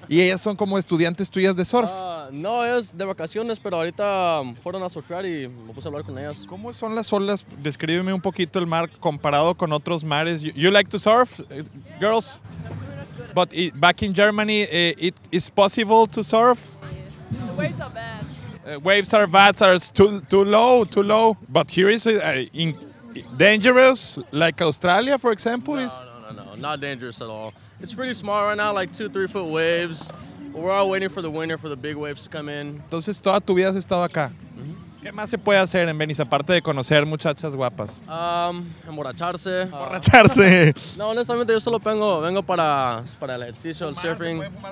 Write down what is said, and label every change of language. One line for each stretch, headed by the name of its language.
Spanish: ¿Y ellas son como estudiantes tuyas de surf? No, es de vacaciones, pero ahorita fueron a surfear y me puse a hablar con ellas. ¿Cómo son las olas? Descríbeme un poquito el mar comparado con otros mares.
English: You like to surf, girls? But back in Germany, it is possible to surf? The waves are bad. Waves are bad, are too low. But here is dangerous, like Australia, for example? No, not dangerous at all. It's pretty small right now, like 2-3 foot waves. We're all waiting for the winter, for the big waves to come in.
Spanish: Entonces, toda tu vida has estado acá. ¿Qué más se puede hacer en Venice, aparte de conocer muchachas guapas? Emborracharse. ¡Emborracharse! No, honestamente, yo solo vengo para el ejercicio, el surfing.